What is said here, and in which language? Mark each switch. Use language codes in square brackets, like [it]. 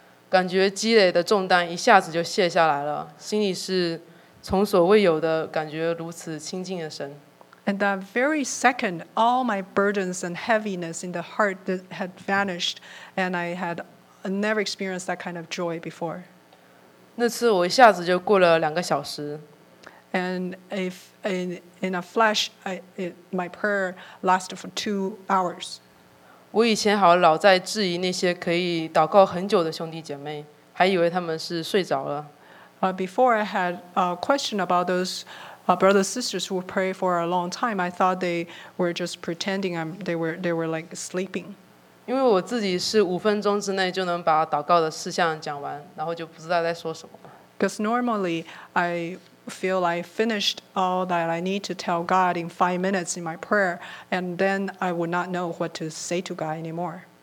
[zh] 感觉积累的重担一下子就卸下来了，心里是从所未有的感觉如此清净的神。 [en] And that very second, all my burdens and heaviness in the heart that had vanished, and I had never experienced that kind of joy before. [zh] 那次我一下子就过了两个小时。 [en] And if in a flash, my prayer lasted for 2 hours. [zh] 我以前好老在质疑那些可以祷告很久的兄弟姐妹，还以为他们是睡着了。 [en] Before I had a question about those. Brothers and sisters who pray for a long time, I thought they were just pretending they were like sleeping. [zh] 因为我自己是五分钟之内就能把祷告的事项讲完，然后就不知道在说什么。 [en] Because normally I feel like finished all that I need to tell God in 5 minutes in my prayer, and then I would not know what to say to God anymore.